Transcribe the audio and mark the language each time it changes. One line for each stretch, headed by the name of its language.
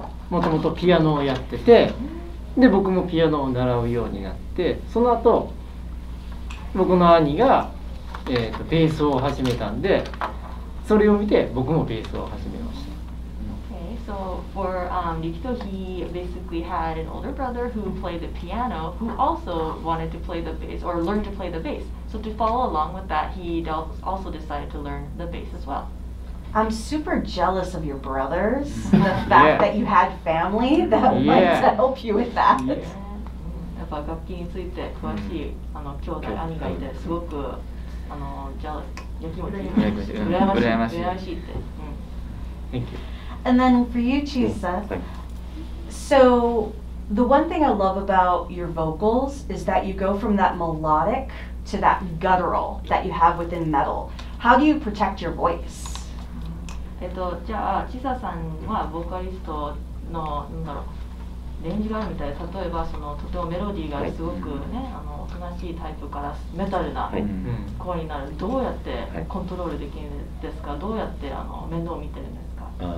Japanese: もともとピアノをやってて、で僕もピアノを習うようになって、その後僕の兄がベースを始めたんで、それを見て僕もベースを始めました。
English: So for Yukito, he basically had an older brother who played the piano, who also wanted to play the bass or learn to play the bass. So to follow along with that, he also decided to learn the bass as well. I'm super jealous of your brothers. The fact yeah. that you had family that might yeah. help you with that. Yeah.
Japanese: やっぱ楽器について詳しい、あの兄弟兄がいて、すごくあのジャラス、やきもち、羨ましいって。
English: Thank you. And then for you, Chisa, so the one thing I love about your vocals is that you go from that melodic to that guttural that you have within metal. How do you protect your voice?
Japanese: じゃあ、Chisa さんはボーカリストの、なんだろう、レンジがあるみたいで、例えばそのとてもメロディーがすごくね、あの、おとなしいタイプからメタルな声になる。どうやってコントロールできるんですか？どうやってあの面倒を見てるんですか？